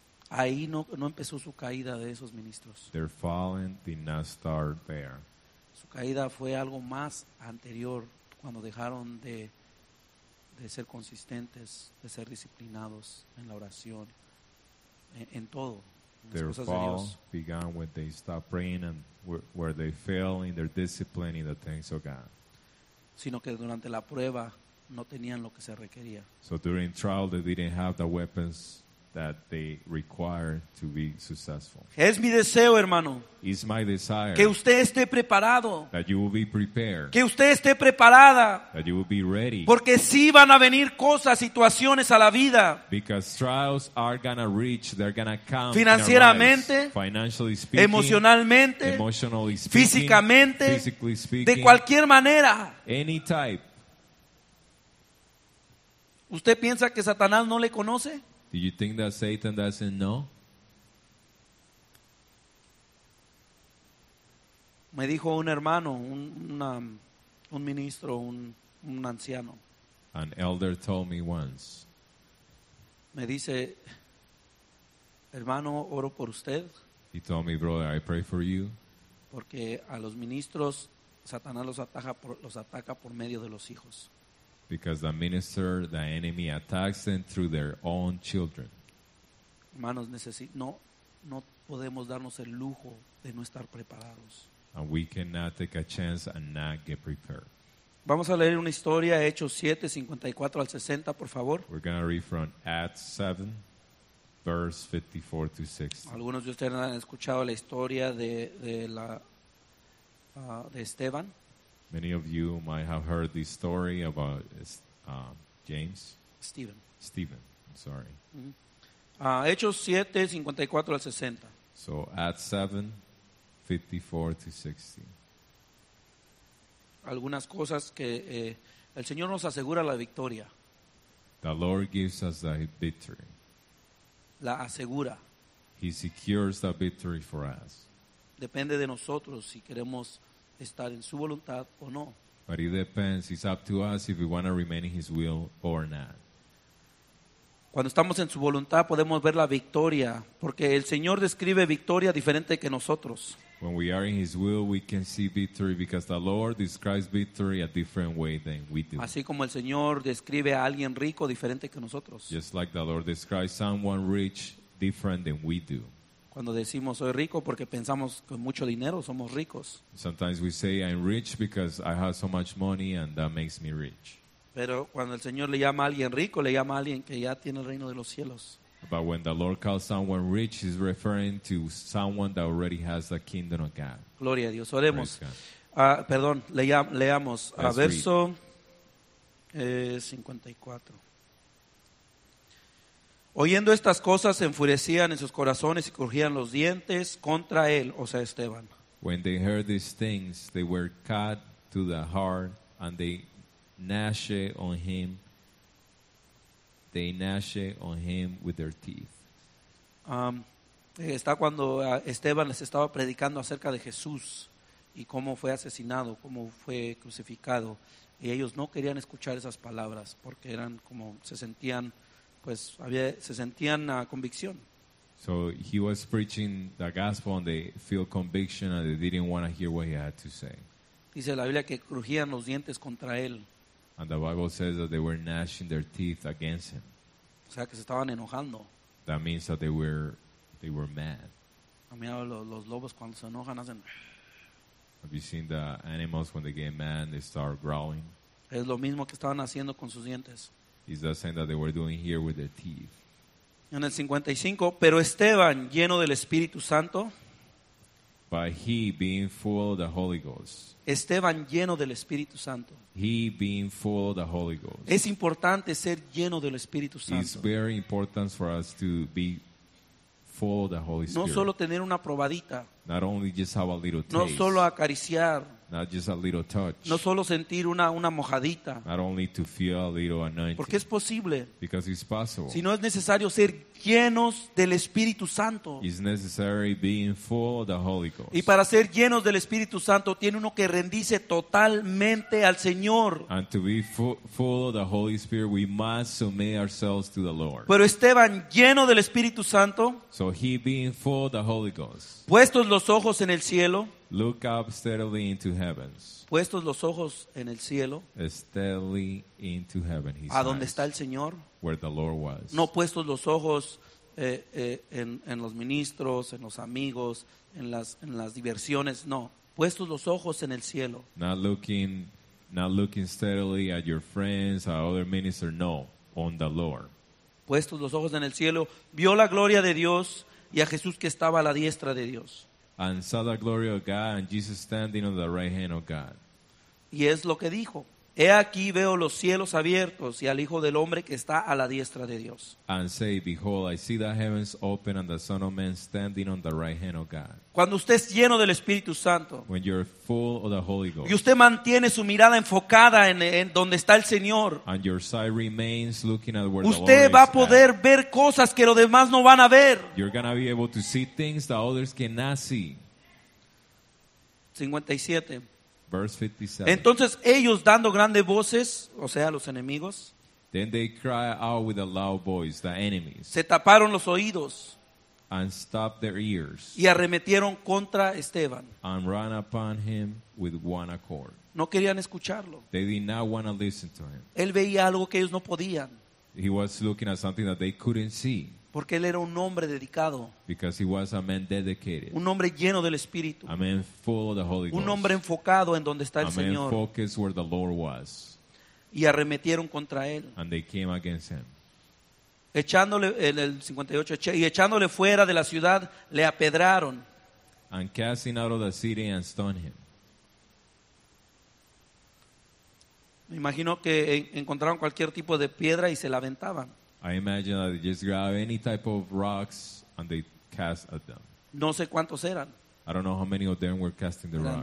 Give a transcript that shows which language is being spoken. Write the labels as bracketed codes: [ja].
[es] Ahí no empezó su caída de esos ministros. [en] Their falling did not start there. [es] Su caída fue algo más anterior cuando dejaron de de ser consistentes, de ser disciplinados en la oración, en todo. [en] Their fall began when they stopped praying and where they fell in their discipline in the things of God. [es] Sino que durante la prueba no tenían lo que se requería. [en] So during trial they didn't have the weapons that they require to be successful. [es] Es mi deseo, hermano. [en] It's my desire. [es] Que usted esté preparado. [en] That you will be prepared. [es] Que usted esté preparada. [en] That you will be ready. [es] Porque sí van a venir cosas, situaciones a la vida. [en] Because trials are gonna reach, they're gonna come. [es] Financieramente. [en] Financially speaking. [es] Emocionalmente. [en] Emotionally speaking. [es] Físicamente. [en] Physically speaking. [es] De cualquier manera. [en] Any type. [es] ¿Usted piensa que Satanás no le conoce? [en] Do you think that Satan doesn't know? [es] Me dijo un hermano, un ministro, un anciano. [en] An elder told me once. [es] Me dice, hermano, oro por usted. [en] He told me, brother, I pray for you. [es] Porque a los ministros, Satanás los ataca por medio de los hijos. [en] Because the minister, the enemy attacks them through their own children. [es] Hermanos, no podemos darnos el lujo de no estar preparados. [en] And we cannot take a chance and not get prepared. [es] Vamos a leer una historia, Hechos 7, 54 al 60, por favor. [en] We're going to read from Acts 7, verse 54 to 60. [es] Algunos de ustedes han escuchado la historia de Esteban. [en] Many of you might have heard this story about James. Stephen. Stephen, I'm sorry. [es] Mm-hmm. Hechos 7, 54 al 60. [en] So, Acts 7, 54 to 60. [es] Algunas cosas que el Señor nos asegura la victoria. [en] The Lord gives us the victory. [es] La asegura. [en] He secures the victory for us. [es] Depende de nosotros si queremos estar en su voluntad o no. [en] But it depends. It's up to us if we want to remain in His will or not. [es] Cuando estamos en su voluntad podemos ver la victoria, porque el Señor describe victoria diferente que nosotros. [en] When we are in His will, we can see victory because the Lord describes victory a different way than we do. [es] Así como el Señor describe a alguien rico diferente que nosotros. [en] Just like the Lord describes someone rich different than we do. [es] Cuando decimos soy rico porque pensamos con mucho dinero somos ricos. [en] Sometimes we say I'm rich because I have so much money and that makes me rich. [es] Pero cuando el Señor le llama a alguien rico, le llama a alguien que ya tiene el reino de los cielos. [en] But when the Lord calls someone rich, he's referring to someone that already has the kingdom of God. [es] Gloria a Dios. Oremos. Perdón, leamos a verso 54. Oyendo estas cosas, se enfurecían en sus corazones y crujían los dientes contra él, o sea, Esteban. [en] When they heard these things, they were cut to the heart and they gnashed on him with their teeth. [es] Está cuando Esteban les estaba predicando acerca de Jesús y cómo fue asesinado, cómo fue crucificado. Y ellos no querían escuchar esas palabras porque eran como se sentían... pues había, se sentían convicción. [en] So he was preaching the gospel and they feel conviction and they didn't want to hear what he had to say. [es] Dice la Biblia que crujían los dientes contra él. [en] And the Bible says that they were gnashing their teeth against him. [es] O sea que se estaban enojando. [en] That means that they were mad. [es] A mí los lobos cuando se enojan hacen... [en] Have you seen the animals when they get mad they start growling? [es] Es lo mismo que estaban haciendo con sus dientes. [en] Is the same that they were doing here with their teeth. [es] En el 55, pero Esteban, lleno del Espíritu Santo. [en] By he being full of the Holy Ghost. [es] Esteban, lleno del Espíritu Santo. [en] He being full of the Holy Ghost. [es] Es importante ser lleno del Espíritu Santo. [en] It's very important for us to be full of the Holy Spirit. [es] No solo tener una probadita. [en] Not only just have a little taste. [es] No solo acariciar. [en] Not just a little touch. [es] No solo sentir una mojadita. [en] Not only to feel a little anointing. [es] Porque es posible. [en] Because it's possible. [es] Si no es necesario ser llenos del Espíritu Santo. [en] It's necessary being full of the Holy Ghost. [es] Y para ser llenos del Espíritu Santo tiene uno que rendirse totalmente al Señor. [en] And to be full of the Holy Spirit we must submit ourselves to the Lord. [es] Pero Esteban, lleno del Espíritu Santo. [en] So he being full of the Holy Ghost. [es] Puestos los ojos en el cielo. [en] Look up steadily into heaven. heavens. [es] Puestos los ojos en el cielo. [en] Steadily into heaven. [es] A donde está el Señor. [en] Where the Lord was. [es] No puestos los ojos en los ministros, en los amigos, en las diversiones. No. Puestos los ojos en el cielo. [en] Not looking steadily at your friends, at other ministers. No. On the Lord. [es] Puestos los ojos en el cielo, vio la gloria de Dios y a Jesús que estaba a la diestra de Dios. [en] And saw the glory of God and Jesus standing on the right hand of God. [es] Y es lo que dijo. He aquí veo los cielos abiertos y al Hijo del Hombre que está a la diestra de Dios. [en] And say, behold, I see the heavens open and the Son of Man standing on the right hand of God. [es] Cuando usted es lleno del Espíritu Santo. [en] When you're full of the Holy Ghost. [es] Y usted mantiene su mirada enfocada en donde está el Señor. [en] And your sight remains looking at where [es] usted [en] the Lord [es] va a poder [en] at. [es] Ver cosas que los demás no van a ver. [en] You're going to be able to see things that others cannot see. [es] 57. [en] Verse 57. [es] Entonces ellos dando grandes voces, o sea, los enemigos, [en] then they cry out with a loud voice, the enemies, [es] se taparon los oídos, [en] and stopped their ears, [es] y arremetieron contra Esteban, [en] and ran upon him with one accord. [es] No querían escucharlo. [en] They did not want to listen to him. [es] Él veía algo que ellos no podían. [en] He was looking at something that they couldn't see. [es] Porque él era un hombre dedicado. [en] Because he was a man dedicated. [es] Un hombre lleno del Espíritu. [en] A man full of the Holy Ghost. [es] Un hombre enfocado en donde está a el Señor. [en] A man focused where the Lord was. [es] Y arremetieron contra él. [en] And they came against him. [es] Echándole, en el 58, y echándole fuera de la ciudad, le apedraron. [en] And casting out of the city and stoned him. [es] Me imagino que encontraron cualquier tipo de piedra y se la aventaban. [en] I imagine that they just grab any type of rocks and they cast at them. [es] No sé cuántos eran. [en] I don't know how many of them were casting the rocks.